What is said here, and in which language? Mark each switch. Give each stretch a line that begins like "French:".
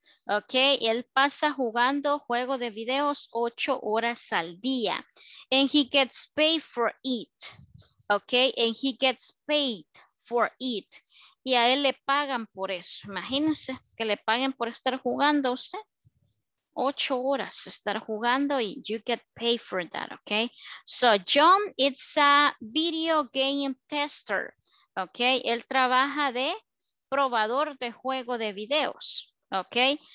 Spanish: Ok, él pasa jugando juego de videos 8 horas al día.
English: And he gets paid for it. Ok, and he gets paid for it.
Spanish: Y a él le pagan por eso. Imagínense que le paguen por estar jugando a usted. 8 horas estar jugando y
English: you get paid for that, okay? So, John is a video game tester, okay?
Spanish: Él trabaja de probador de juego de videos, okay?